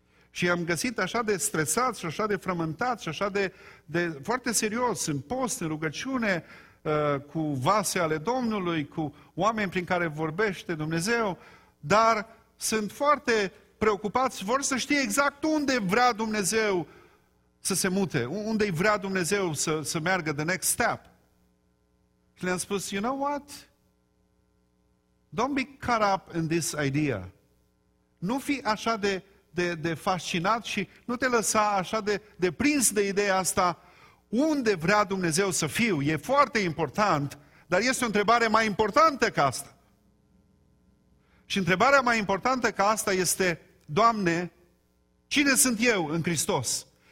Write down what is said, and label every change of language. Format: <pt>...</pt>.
<ro>Și i-am găsit așa de stresați și așa de frământați și așa de foarte serios în post, în rugăciune, cu vase ale Domnului, cu oameni prin care vorbește Dumnezeu, dar sunt foarte preocupați, vor să știe exact unde vrea Dumnezeu să se mute, unde îi vrea Dumnezeu să meargă</ro> <en>the next step.</en> <ro>Și le-am spus,</ro> <en>you know what? Don't be caught up in this idea.</en> <ro>Nu fi așa de fascinat și nu te lăsa așa de prins de ideea asta unde vrea Dumnezeu să fiu. E foarte important, dar este o întrebare mai importantă ca asta. Și întrebarea mai importantă ca asta este, Doamne, cine sunt eu în Hristos?</ro>